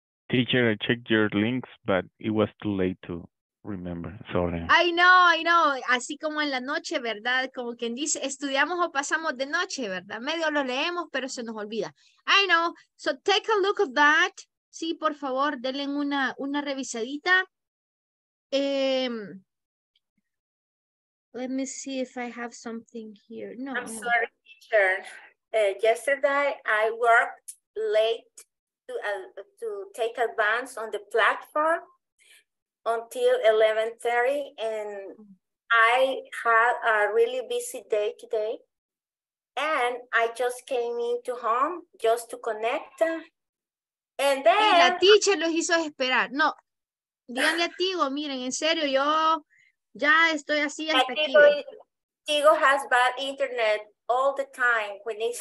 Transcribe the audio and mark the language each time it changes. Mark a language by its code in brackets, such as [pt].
[en] Teacher, I checked your links, but it was too late to remember, sorry. I know. [es] Así como en la noche, ¿verdad? Como quien dice, estudiamos o pasamos de noche, ¿verdad? Medio lo leemos, pero se nos olvida. [en] I know. So take a look of that. [es] Sí, por favor, denle una revisadita. [en] Let me see if I have something here. No. I'm sorry, teacher. Yesterday, I worked late to take advance on the platform until 11:30, and I had a really busy day today, and I just came into home just to connect, and then [es] la teacher los hizo esperar. No, díganle a Tigo, miren, en serio, yo ya estoy así hasta aquí. [en] Tigo has bad internet all the time when it's